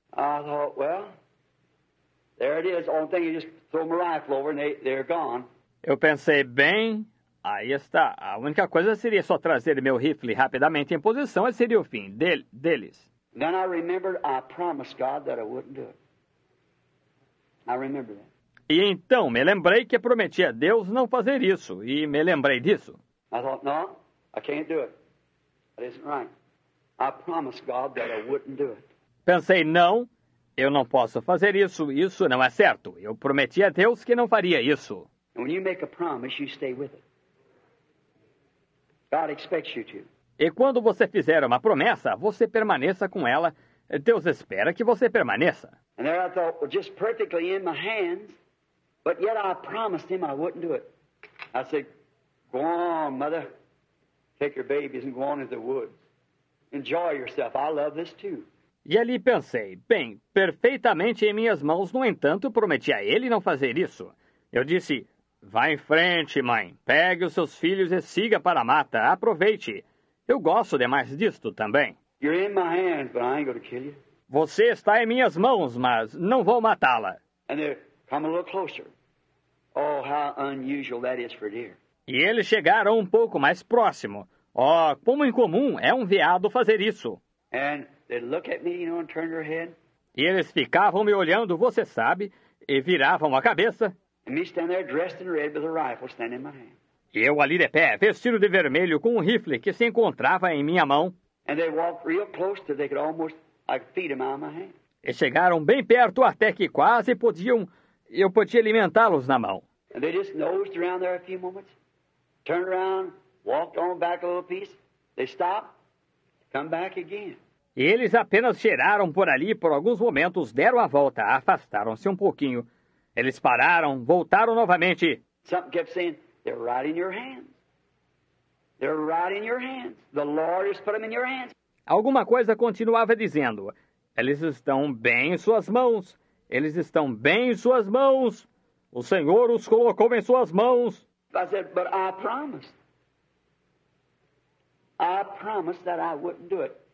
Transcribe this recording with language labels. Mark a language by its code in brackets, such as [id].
[en] I thought, well, There it is. Only thing you just throw my rifle over and they're gone. [pt] Eu pensei bem. Aí está. A única coisa seria só trazer meu rifle rapidamente em posição e seria o fim deles. [en] Then I remembered I promised God that I wouldn't do it. I remember that. [pt] E então me lembrei que prometi a Deus não fazer isso e me lembrei disso. [en] I thought, no, I can't do it. That isn't right. I promised God that I wouldn't do it. [pt] Pensei, não, eu não posso fazer isso. Isso não é certo. Eu prometi a Deus que não faria isso. [en] When you make a promise, you stay with it. God expects you to. [pt] E quando você fizer uma promessa, você permaneça com ela. Deus espera que você permaneça. [en] And there I thought, well, just perfectly in my hands, but yet I promised him I wouldn't do it. I said, go on, mother, take your babies and go on into the woods. Enjoy yourself. I love this too. [pt] E ali pensei, bem, perfeitamente em minhas mãos, no entanto, prometi a ele não fazer isso. Eu disse, vá em frente, mãe, pegue os seus filhos e siga para a mata, aproveite. Eu gosto demais disto também. [en] You're in my hands, but I ain't gonna kill you. [pt] Você está em minhas mãos, mas não vou matá-la. [en] And they come a little closer. Oh, how unusual that is for deer. [pt] E eles chegaram um pouco mais próximo. Oh, como incomum é um veado fazer isso. [en] And they'd look at me, you know, and turn their head. [pt] E eles ficavam me olhando, você sabe, e viravam a cabeça. [en] And me stand there dressed in red with a rifle standing in my hand. [pt] E eu ali de pé, vestido de vermelho, com um rifle que se encontrava em minha mão. [en] And they walked real close till they could almost, like, feed them out of my hand. [pt] E chegaram bem perto até que quase eu podia alimentá-los na mão. [en] And they just nosed around there a few moments, turned around, walked on back a little piece, they stopped, come back again. [pt] E eles apenas cheiraram por ali por alguns momentos, deram a volta, afastaram-se um pouquinho. Eles pararam, voltaram novamente. [en] Something kept saying, they're right in your hands. They're right in your hands. The Lord has put them in your hands. [pt] Alguma coisa continuava dizendo, eles estão bem em suas mãos. Eles estão bem em suas mãos. O Senhor os colocou em suas mãos. [en] I said, but I promised. I promised that I wouldn't do it.